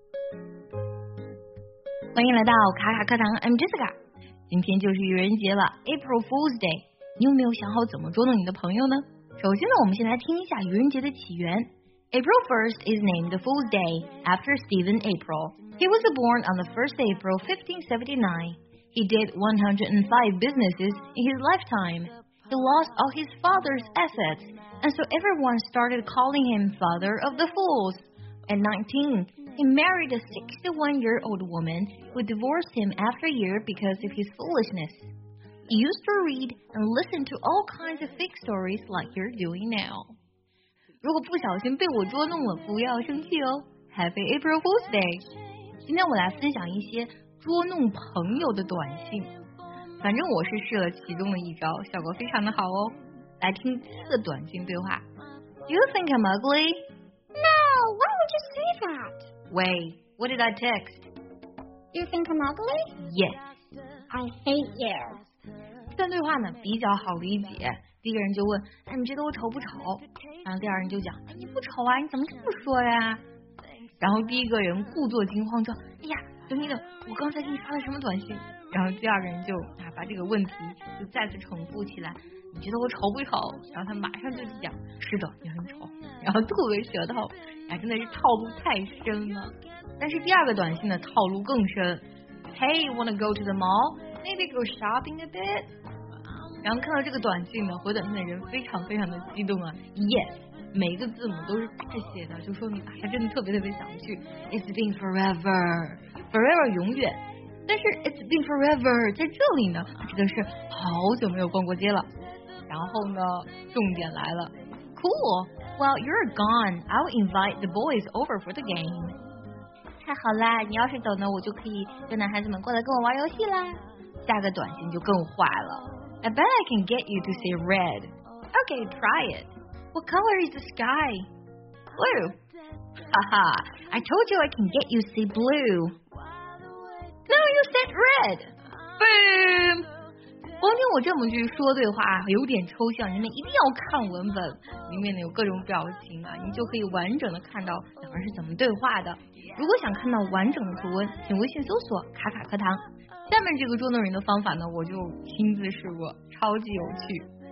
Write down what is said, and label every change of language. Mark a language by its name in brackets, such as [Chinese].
[Chinese] 欢迎来到卡卡课堂 ， [English] I'm Jessica。 [Chinese] 今天就是愚人节了 ， [English] April Fool's Day。 [Chinese] 你有没有想好怎么捉弄你的朋友呢？首先呢，我们先来听一下愚人节的起源。 [English] April 1st is named Fool's Day after Stephen April. He was born on the 1st April 1579. He did 105 businesses in his lifetime. He lost all his father's assets, and so everyone started calling him Father of the Fools. At 19, he married a 61-year-old woman who divorced him after a year because of his foolishness. He used to read and listen to all kinds of fake stories like you're doing now. [Chinese] 如果不小心被我捉弄了，不要生气哦。 [English] Happy April Fool's Day！ [Chinese] 今天我来分享一些捉弄朋友的短信。反正我是试了其中的一招，效果非常的好哦。来听四个短信对话。 [English] Do you think I'm ugly? No, why would you say that? Wait, what did I text? Do you think I'm ugly? Yes. I hate you. [Chinese] 这段对话呢比较好理解，第一个人就问，哎，你觉得我丑不丑？然后第二人就讲，哎，你不丑啊，你怎么这么说呀？然后第一个人故作惊慌说，哎呀，等你等，我刚才给你发了什么短信？然后第二人就把这个问题就再次重复起来，你觉得我丑不丑？然后他马上就讲，是的，你很丑。然后特别舌头，哎，真的是套路太深了。但是第二个短信的套路更深， [English] Hey, wanna go to the mall? Maybe go shopping a bit. [Chinese] 然后看到这个短信呢，回短信的人非常非常的激动啊。 Yes, 每一个字母都是大写的，就说明他真的特别特别想去。 [English] It's been forever, forever [Chinese] 永远。但是 [English] it's been forever [Chinese] 在这里呢，指的是好久没有逛过街了。然后呢，重点来了。 [English] Cool. Well, you're gone. I'll invite the boys over for the game. [Chinese] 太好啦，你要是走呢，我就可以跟男孩子们过来跟我玩游戏啦。下个短信就更坏了。 [English] I bet I can get you to say red. Okay, try it. What color is the sky? Blue. Haha, I told you I can get you to say blue. No, you said red. Boom. [Chinese] 光听我这么去说对话有点抽象，你们一定要看文本，里面有各种表情啊，你就可以完整的看到两个人是怎么对话的。如果想看到完整的图文，请微信搜索卡卡课堂。下面这个捉弄人的方法呢，我就亲自试过，超级有趣。